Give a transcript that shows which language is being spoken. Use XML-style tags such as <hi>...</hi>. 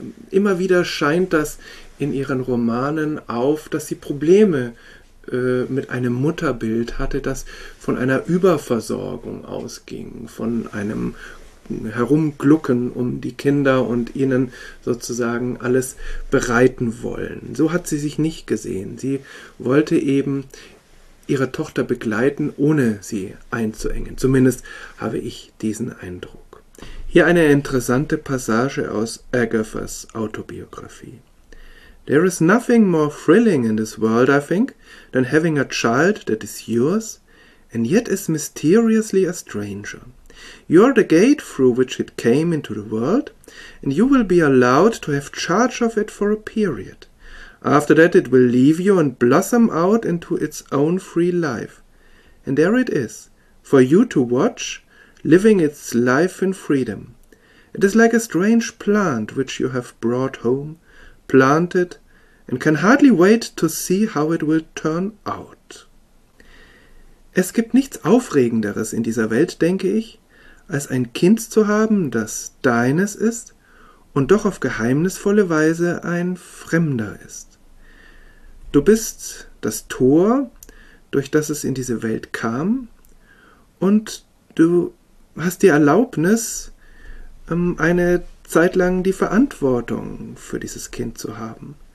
<de>Immer wieder scheint das in ihren Romanen auf, dass sie Probleme mit einem Mutterbild hatte, das von einer Überversorgung ausging, von einem Herumglucken um die Kinder und ihnen sozusagen alles bereiten wollen. So hat sie sich nicht gesehen. Sie wollte eben ihre Tochter begleiten, ohne sie einzuengen. Zumindest habe ich diesen Eindruck. Hier eine interessante Passage aus Agathas Autobiografie.</de> <en>There is nothing more thrilling in this world, I think, than having a child that is yours, and yet is mysteriously a stranger. You are the gate through which it came into the world, and you will be allowed to have charge of it for a period. After that it will leave you and blossom out into its own free life. And there it is, for you to watch, living its life in freedom. It is like a strange plant which you have brought home, planted, and can hardly wait to see how it will turn out.</en> <de>Es gibt nichts Aufregenderes in dieser Welt, denke ich, als ein Kind zu haben, das deines ist und doch auf geheimnisvolle Weise ein Fremder ist. Du bist das Tor, durch das es in diese Welt kam, und du hast die Erlaubnis, eine Zeit lang die Verantwortung für dieses Kind zu haben.</de>